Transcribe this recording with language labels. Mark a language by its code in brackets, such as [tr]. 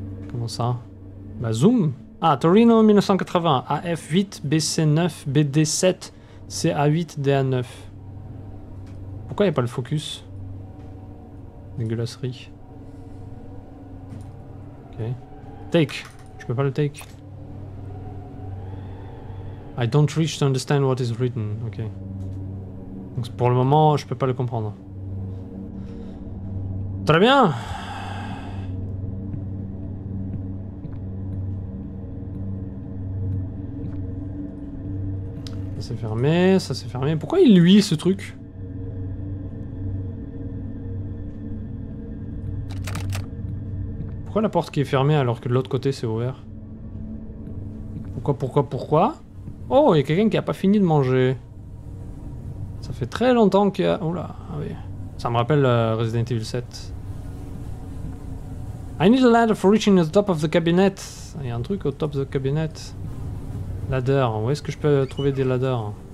[fr] Comment ça? Bah, zoom. Ah, Torino 1980, AF8, BC9, BD7, CA8, DA9. Pourquoi y a pas le focus? Dégueulasserie. Ok. Take. Je peux pas le take. [en] I don't reach to understand what is written. Ok. [fr] Donc pour le moment, je peux pas le comprendre. Très bien! Ça s'est fermé, ça s'est fermé. Pourquoi il luit ce truc? Pourquoi la porte qui est fermée alors que de l'autre côté c'est ouvert? Pourquoi? Oh, il y a quelqu'un qui a pas fini de manger. Ça fait très longtemps qu'il y a... Oula, ah oui. Ça me rappelle Resident Evil 7. [en] I need a ladder for reaching the top of the cabinet. [fr] Il y a un truc au [en] top of the cabinet. [fr] Ladder, où est-ce que je peux trouver des ladders?